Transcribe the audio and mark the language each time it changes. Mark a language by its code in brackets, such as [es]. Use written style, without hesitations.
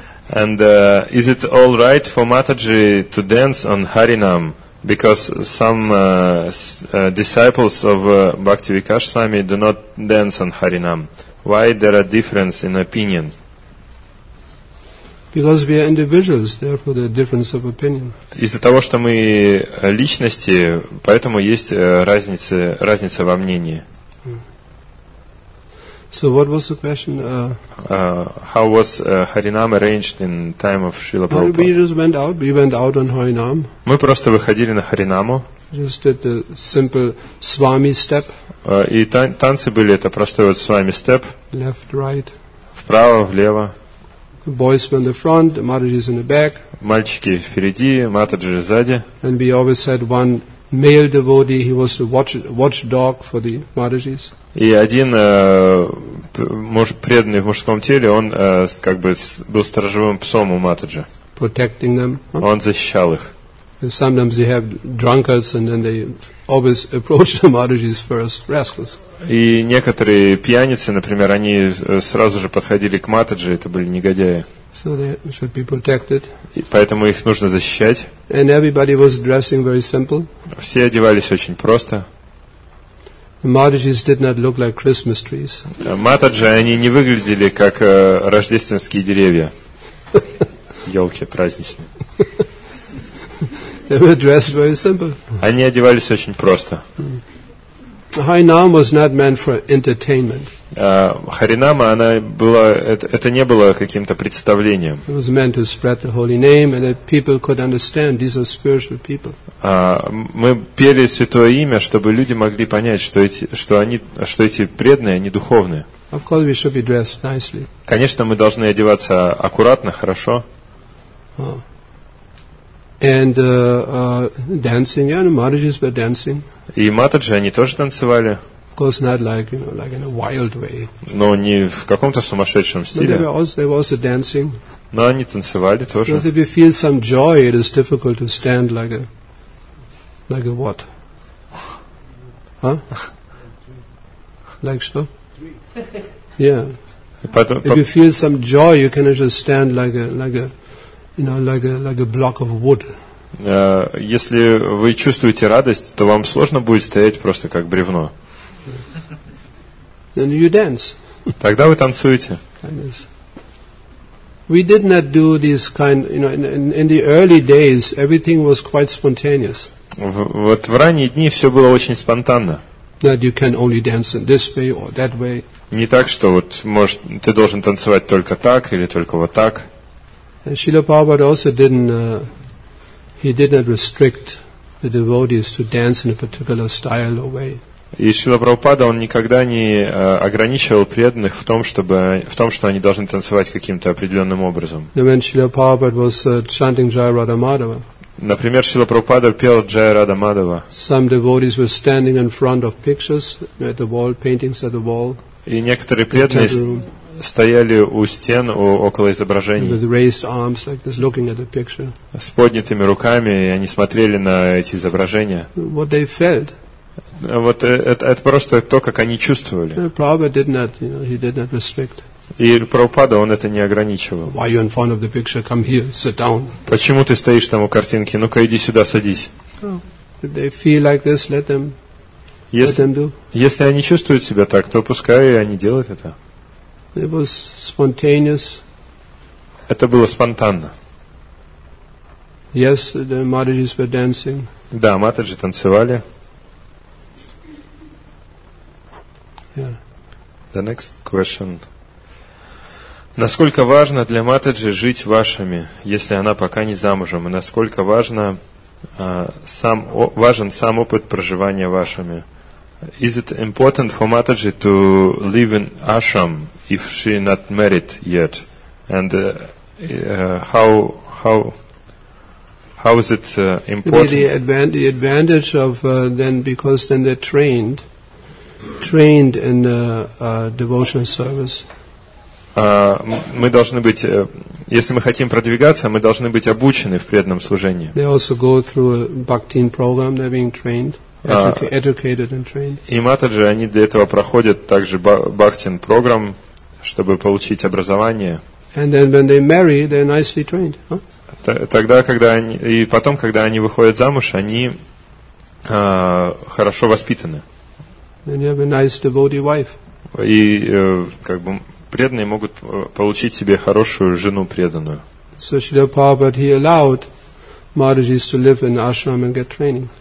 [en] And is it all right for Mataji to dance on Harinam? Because some disciples of Bhakti Vikash Swami do not dance on Harinam. Why there are difference in opinion? Because we are individuals, therefore there are difference of opinion. [ru] Из-за того, что мы личности, поэтому есть разница во мнении. [en] So what was the question? How was Harinam arranged in time of Srila Prabhupada? We just went out. We went out on Harinam. [ru] Мы просто выходили на Харинаму. [en] Just did the simple Swami step. [ru] И танцы были это просто вот Swami step. [en] Left, right. [ru] Вправо, влево. [en] The boys were in the front. The Mataji's in the back. [ru] Мальчики впереди, Матаджи сзади. [en] And we always had one male devotee. He was the watchdog for the Mataji's. [ru] И один преданный в мужском теле, он как бы был сторожевым псом у Матаджи. [en] Protecting them. [ru] Он защищал их. [en] And sometimes they have drunkards and then they always approach the Mataji's first rascals. [ru] И некоторые пьяницы, например, они сразу же подходили к Матаджи, это были негодяи. [en] So they should be protected. [ru] И поэтому их нужно защищать. [en] And everybody was dressing very simple. [ru] Все одевались очень просто. [en] The Matajis did not look like Christmas trees. [ru] Матаджи, они не выглядели как рождественские деревья. Ёлки праздничные. [en] They were dressed very simple. [ru] Они одевались очень просто. [en] Harinam was not meant for entertainment. [ru] Харинама, она была, это не было каким-то представлением. [en] It was meant to spread the holy name and that people could understand these are spiritual people. [ru] Мы пели святое имя, чтобы люди могли понять, что эти преданные, они духовные. [en] Of course we should be dressed nicely. [ru] Конечно, мы должны одеваться аккуратно, хорошо. [en] And dancing, yeah, the Mataji's were dancing. [ru] И Матаджи, они тоже танцевали. [en] Of course not like, you know, like in a wild way. [ru] Но не в каком-то сумасшедшем стиле. [en] But there was a dancing. [ru] Но они танцевали тоже. [en] Because if you feel some joy, it is difficult to stand like a what? Huh? Like [ru] что? [en] Yeah. If you feel some joy, you cannot just stand like a block of wood. [ru] Если вы чувствуете радость, то вам сложно будет стоять просто как бревно. [en] Then you dance. [ru] Тогда вы танцуете. [en] We did not do these kind, you know, in the early days, everything was quite spontaneous. [ru] Вот в ранние дни все было очень спонтанно. [en] That you can only dance in this way or that way. [ru] Не так, что вот, может, ты должен танцевать только так или только вот так. [en] And Srila Prabhupada also did not restrict the devotees to dance in a particular style or way. [ru] И Шрила Прабхупада, он никогда не ограничивал преданных в том, что они должны танцевать каким-то определенным образом. [en] When Srila Prabhupada was chanting Jai Radha Madhava. [ru] Например, Шрила Прабхупада пел Джай Радха Мадхава. [en] Some devotees were standing in front of pictures at the wall, paintings at the wall. [ru] И некоторые преданные стояли у стен около изображений. [en] With raised arms, like this, looking at the picture. [ru] С поднятыми руками, и они смотрели на эти изображения. [en] What they felt. [ru] Вот это просто то, как они чувствовали. [en] Prabhupada did not, you know, he did not restrict. [ru] И Прабхупада, он это не ограничивал. [en] Why are you in front of the picture? Come here, sit down. [ru] Почему ты стоишь там у картинки? Ну-ка, иди сюда, садись. [en] Oh. If they feel like this, let them, [ru] если, [en] let them do. [ru] Если они чувствуют себя так, то пускай они делают это. [en] It was spontaneous. [ru] Это было спонтанно. [en] Yes, the Mataji's were dancing. [ru] Да, Матаджи танцевали. [en] Yeah. The next question. [ru] Насколько важно для Матаджи жить вашами, если она пока не замужем, и насколько важен сам опыт проживания вашами? [en] Is it important for Mataji to live in ashram if she not married yet? And how is it important? The advantage of then, because then they're trained in devotional service. [ru] Мы должны быть, если мы хотим продвигаться, мы должны быть обучены в преданном служении. [en] They also go through a bhakti program. They're being trained. Educated and trained. [ru] И Матаджи, они для этого проходят также бхактин программ, чтобы получить образование. [en] And then when they marry, they're nicely trained. Huh? [ru] Когда они выходят замуж, они хорошо воспитаны. [en] Then you have a nice devotee wife. [ru] И как бы преданные могут получить себе хорошую жену преданную. [en] So Srila Prabhupada, he allowed Matajis to live in ashram and get training.